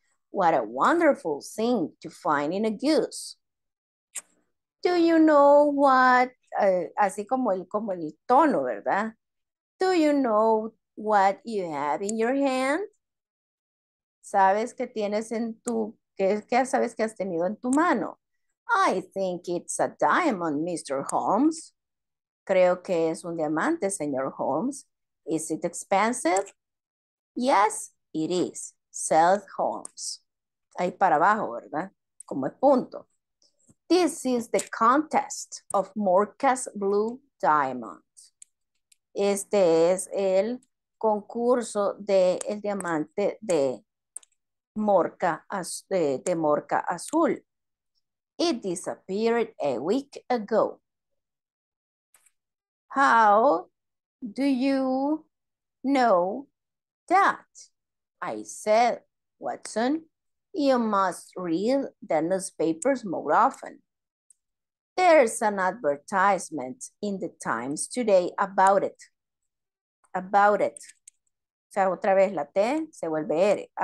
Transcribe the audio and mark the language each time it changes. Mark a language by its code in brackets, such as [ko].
[en] What a wonderful thing to find in a goose. Do you know what, [es] así como el tono, ¿verdad? [en] Do you know what you have in your hand? [es] ¿Sabes que tienes en tu, qué sabes que has tenido en tu mano? [en] I think it's a diamond, Mr. Holmes. [es] Creo que es un diamante, señor Holmes. [en] Is it expensive? Yes, it is, said Holmes. [es] Ahí para abajo, ¿verdad? Como el punto. [en] This is the contest of Morcas Blue Diamond. [es] Este es el concurso del diamante de Morca Azul. [en] It disappeared a week ago. How do you know that? I said, Watson, you must read the newspapers more often. There's an advertisement in the Times today about it. About it. [es] O sea, otra vez la T se vuelve R.